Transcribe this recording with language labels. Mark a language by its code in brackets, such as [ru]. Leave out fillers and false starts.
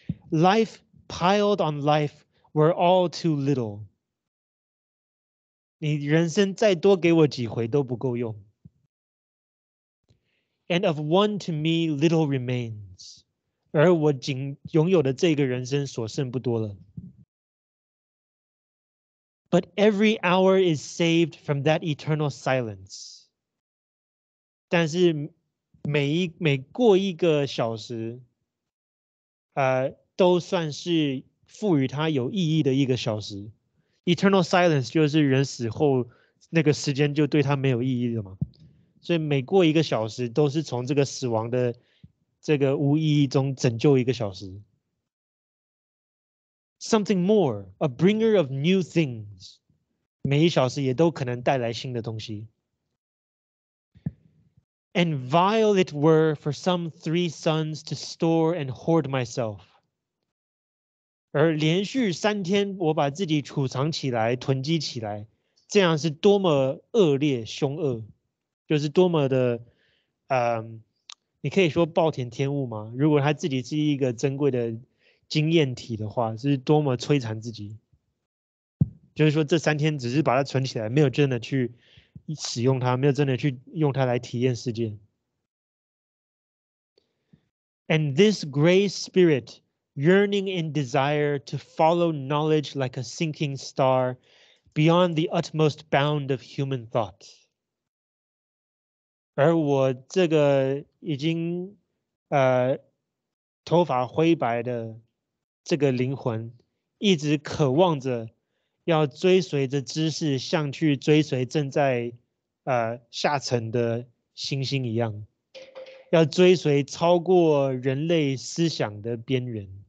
[en] Life piled on life were all too little. [zh] 你人生再多给我几回都不够用。 [en] And of one to me little remains. [zh] 而我仅拥有的这个人生所剩不多了。 [en] But every hour is saved from that eternal silence. [zh] 但是每过一个小时，都算是赋予它有意义的一个小时。 [en] Eternal silence [zh] 就是人死后那个时间就对它没有意义了嘛。所以每过一个小时都是从这个死亡的这个无意义中拯救一个小时。 [en] Something more, a bringer of new things. [zh] 每一小时也都可能带来新的东西。 [en] And vile it were for some three suns to store and hoard myself. [zh] 而连续三天我把自己储藏起来，囤积起来，这样是多么恶劣凶恶，就是多么的你可以说暴殄天物吗？如果他自己是一个珍贵的经验体的话，是多么摧残自己。就是说这三天只是把它存起来，没有真的去使用它，没有真的去用它来体验世界。 [en] And this gray spirit, yearning in desire to follow knowledge like a sinking star beyond the utmost bound of human thought. [zh] 而我这个已经头发灰白的这个灵魂，一直渴望着要追随着知识，像去追随正在下沉的星星一样，要追随超过人类思想的边缘。